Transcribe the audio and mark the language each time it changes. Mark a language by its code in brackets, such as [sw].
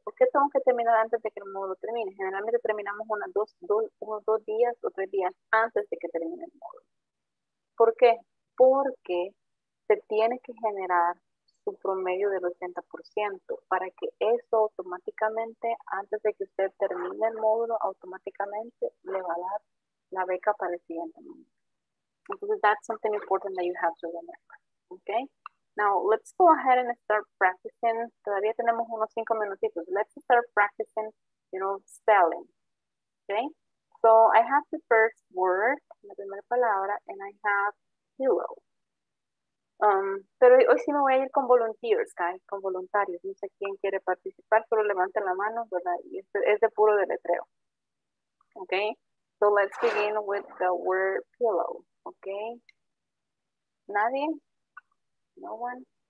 [es] ¿Por qué tengo que terminar antes de que el módulo termine? Generalmente terminamos unos dos días o tres días antes de que termine el módulo. ¿Por qué? Porque se tiene que generar su promedio del 80% para que eso automáticamente, antes de que usted termine el módulo, automáticamente le va a dar la beca para el siguiente módulo. Entonces, [en] that's something important that you have to remember. Okay? Now, let's go ahead and start practicing. [es] Todavía tenemos unos 5 minutitos. [en] Let's start practicing, spelling. [es] Okay? [en] So, I have the first word, [es] la primera palabra, [en] and I have hero. [es] Pero hoy sí me voy a ir con [en] volunteers, guys, [es] con voluntarios. No sé quién quiere participar, solo levanten la mano, ¿verdad? Y es de puro deletreo. Okay? [en] So, let's begin with the word pillow. [es] Okay. Nadie? [en] No one?